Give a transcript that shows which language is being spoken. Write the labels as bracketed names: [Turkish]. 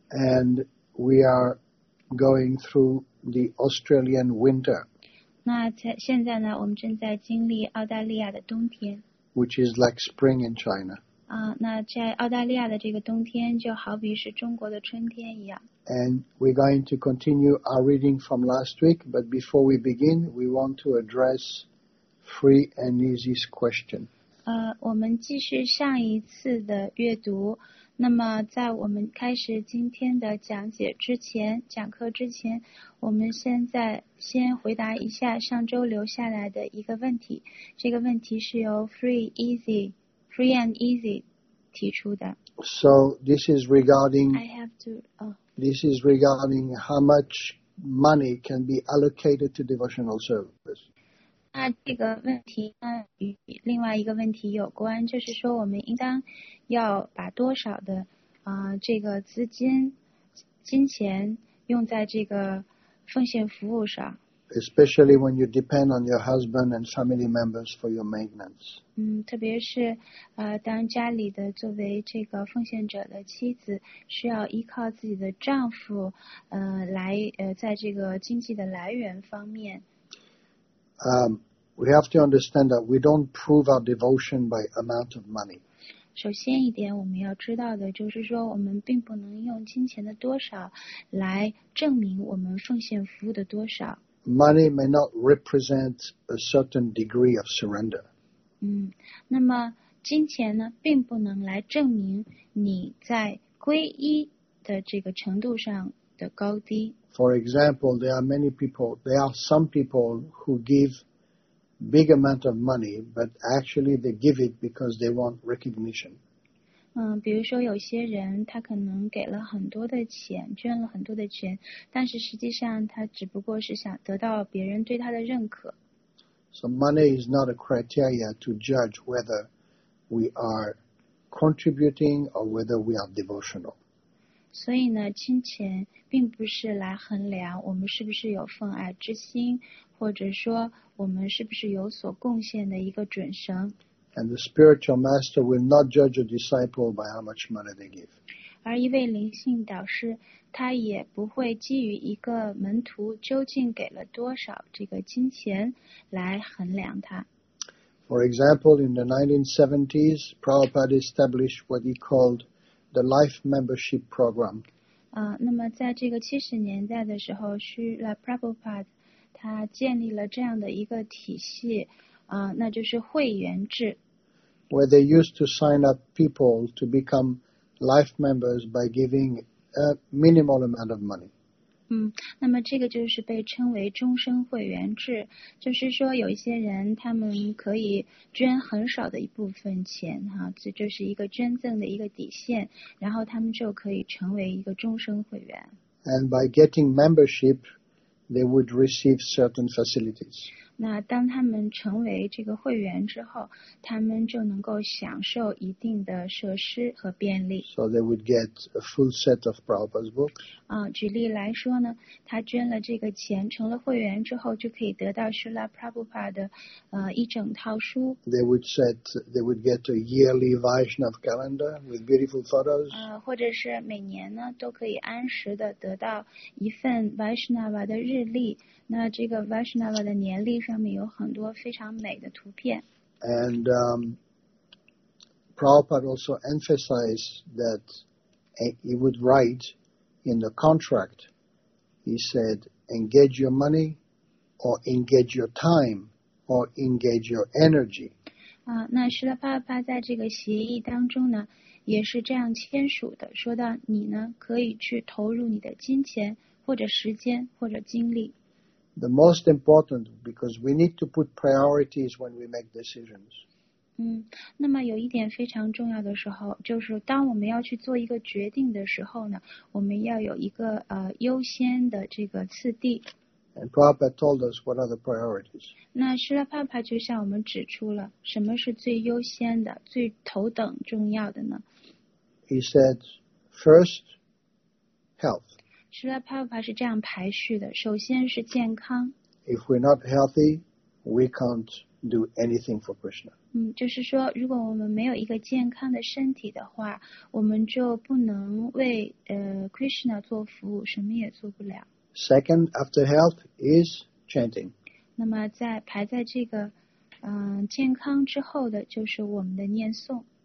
[English] And we aregoing through the Australian winter. [Chinese] 那现在呢我们正在经历澳大利亚的冬天。 [English] Which is like spring in China. [Chinese] 那在澳大利亚的这个冬天就好比是中国的春天一样。 [English] And we're going to continue our reading from last week, but before we begin, we want to address free and easy's question. [Chinese] 我们继续上一次的阅读。那么在我们开始今天的讲解之前讲课之前我们现在先回答一下上周留下来的一个问题这个问题是由 free and easy 提出的 [English] so this is regarding I have to、 this is regarding how much money can be allocated to devotional service [Chinese] 那这个问题与另外一个问题有关就是说我们应当要把多少的这个资金金钱用在这个奉献服务上 [English] especially when you depend on your husband and family members for your maintenance [Chinese] 特别是当家里的作为这个奉献者的妻子需要依靠自己的丈夫在这个经济的来源方面 [English] we have to understand that we don't prove our devotion by amount of money [Chinese] 首先一点我们要知道的就是说我们并不能用金钱的多少来证明我们奉献服务的多少。 [English] Money may not represent a certain degree of surrender. [Chinese] 那么金钱呢并不能来证明你在皈依的这个程度上的高低。 [English] For example, there are some people who give big amount of money, but actually they give it because they want recognition. [Chinese] 比如说有些人他可能给了很多的钱捐了很多的钱但是实际上他只不过是想得到别人对他的认可。 [English] So money is not a criteria to judge whether we are contributing or whether we are devotional. [Chinese] 所以呢金钱并不是来衡量我们是不是有奉爱之心或者说我们是不是有所贡献的一个准绳 [English] And the spiritual master will not judge a disciple by how much money they give. [Chinese] 而一位灵性导师他也不会基于一个门徒究竟给了多少这个金钱来衡量他 [English] For example, in the 1970s, Prabhupada established what he called the Life Membership Program. [Chinese] 那么在这个70年代的时候是 Prabhupada他建立了这样的一个体系那就是会员制。 [English] Where they used to sign up people to become life members by giving a minimal amount of money. [Chinese] 那么这个就是被称为终身会员制，就是说有一些人他们可以捐很少的一部分钱哈，这就是一个捐赠的一个底线，然后他们就可以成为一个终身会员。 [English] And by getting membership, they would receive certain facilities. [Chinese] 那当他们成为这个会员之后，他们就能够享受一定的设施和便利。 [English] So they would get a full set of Prabhupada's books. [Chinese] 举例来说呢，他捐了这个钱，成了会员之后，就可以得到Srila Prabhupada的一整套书。 [English] They would get a yearly Vaishnav calendar with beautiful photos. [Chinese] 或者是每年呢，都可以按时的得到一份 Vaishnava 的日历。那这个 Vaishnava 的年历上面有很多非常美的图片。 [English] And Prabhupada also emphasized that he would write in the contract. He said, engage your money or engage your time or engage your energy. [Chinese] 那 Srila Prabhupada 在这个协议当中呢也是这样签署的，说到你呢可以去投入你的金钱或者时间或者精力。 [English] The most important, because we need to put priorities when we make decisions. [Chinese] 那么有一点非常重要的时候，就是当我们要去做一个决定的时候呢，我们要有一个优先的这个次第。 [English] And Prabhupada told us what are the priorities. [Chinese] 那Srila Prabhupada就向我们指出了什么是最优先的、最头等重要的呢？ [English] He said, first, health. [Chinese] Srila Prabhupada 是这样排序的，首先是健康。 [English] If we're not healthy, we can't do anything for Krishna. [Chinese] 就是说，如果我们没有一个健康的身体的话，我们就不能为Krishna 做服务，什么也做不了。 [English] Second after health is chanting. [Chinese] 那么在排在这个健康之后的就是我们的念诵。